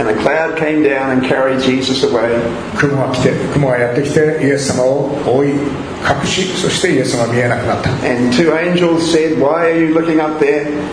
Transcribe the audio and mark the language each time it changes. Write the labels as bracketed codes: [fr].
[en] And a cloud came down and carried Jesus away. [ja] 雲がやってきてイエス様を追い隠し、そしてイエス様は見えなくなった。 [en] And two angels said, "Why are you looking up there?"